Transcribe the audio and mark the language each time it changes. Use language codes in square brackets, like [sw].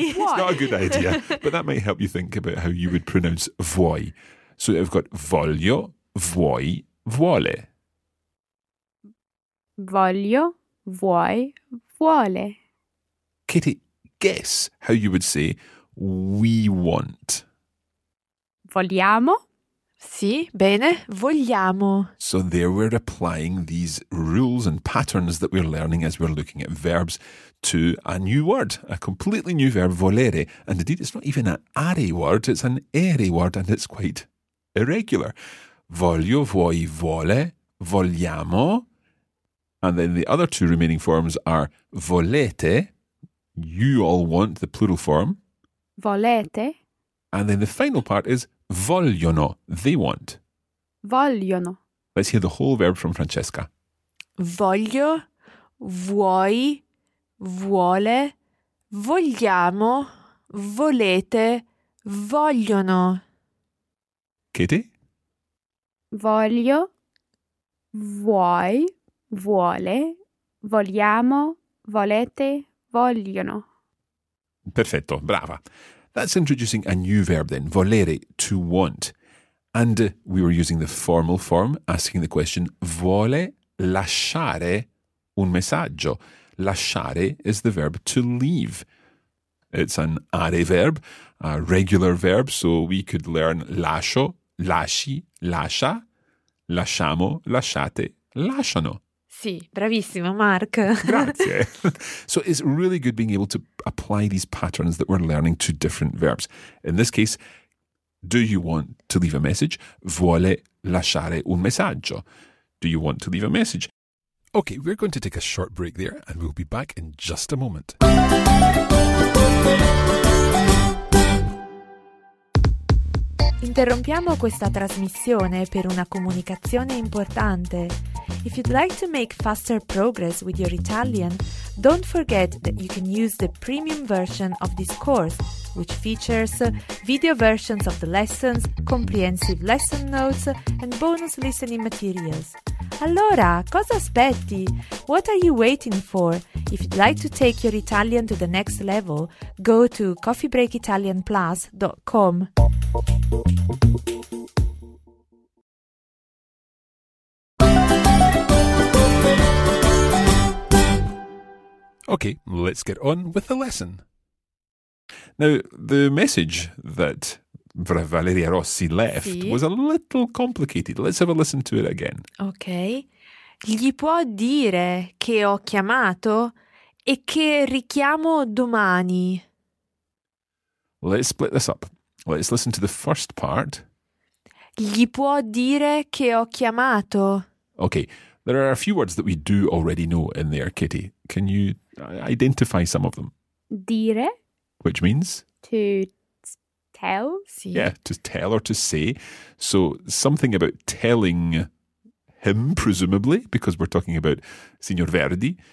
[en] It's not a good idea, but that might help you think about how you would pronounce vuoi. So I've got voglio, vuoi, vuole. [it] Voglio, vuoi, vuole. [en] Kitty, guess how you would say we want. [it] Vogliamo. Sì, bene, vogliamo. [en] So there we're applying these rules and patterns that we're learning as we're looking at verbs to a new word, a completely new verb, volere. And indeed, it's not even an are word, it's an ere word, and it's quite irregular. [it] Voglio, vuoi, vuole, vogliamo. [en] And then the other two remaining forms are volete, you all want, the plural form. [it] Volete. [en] And then the final part is vogliono, they want. [it] Vogliono. [en] Let's hear the whole verb from Francesca. [it] Voglio, vuoi, vuole, vogliamo, volete, vogliono. [en] Kitty? [it] Voglio, vuoi, vuole, vogliamo, volete, vogliono. Perfetto, brava. [en] That's introducing a new verb then, volere, to want. And we were using the formal form, asking the question, [it] vuole lasciare un messaggio. [en] Lasciare is the verb to leave. It's an are verb, a regular verb, so we could learn [it] lascio, lasci, lascia, lasciamo, lasciate, lasciano. Sì, bravissimo, Mark. Grazie. [en] So it's really good being able to apply these patterns that we're learning to different verbs. In this case, do you want to leave a message? [it] Vuole lasciare un messaggio. [en] Do you want to leave a message? Okay, we're going to take a short break there and we'll be back in just a moment. [it] Interrompiamo questa trasmissione per una comunicazione importante. [en] If you'd like to make faster progress with your Italian, don't forget that you can use the premium version of this course, which features video versions of the lessons, comprehensive lesson notes, and bonus listening materials. [it] Allora, cosa aspetti? [en] What are you waiting for? If you'd like to take your Italian to the next level, go to coffeebreakitalianplus.com. Okay, let's get on with the lesson. Now, the message that Valeria Rossi left was a little complicated. Let's have a listen to it again. Okay. [it] Gli può dire che ho chiamato e che richiamo domani. [en] Let's split this up. Let's listen to the first part. [it] Gli può dire che ho chiamato. [en] Okay. There are a few words that we do already know in there, Kitty. Can you identify some of them? [it] Dire. [en] Which means? To tell. Sì. Yeah, to tell or to say. So something about telling him, presumably, because we're talking about Signor Verdi.